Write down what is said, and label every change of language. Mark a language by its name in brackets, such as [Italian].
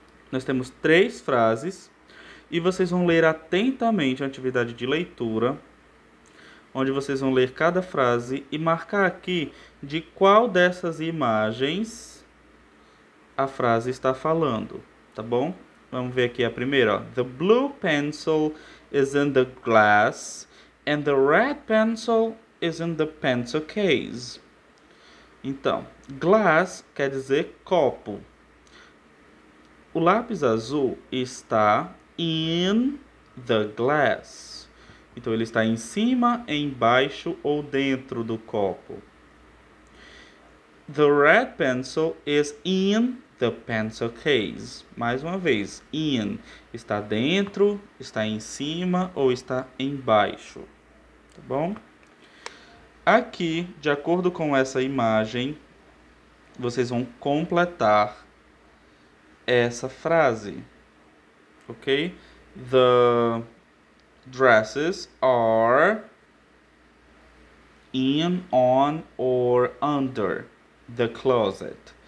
[Portuguese] Nós temos três frases e vocês vão ler atentamente a atividade de leitura, onde vocês vão ler cada frase e marcar aqui de qual dessas imagens a frase está falando, tá bom? Vamos ver aqui a primeira, ó. [English] The blue pencil is in the glass. And the red pencil is in the pencil case. [Portuguese] Então, glass quer dizer copo. O lápis azul está [English] in the glass. [Portuguese] Então, ele está em cima, embaixo ou dentro do copo. [English] The red pencil is in the pencil case. [Portuguese] Mais uma vez, in está dentro, está em cima ou está embaixo. Bom, aqui, de acordo com essa imagem, vocês vão completar essa frase. Ok? [English] The dresses are in, on, or under the closet.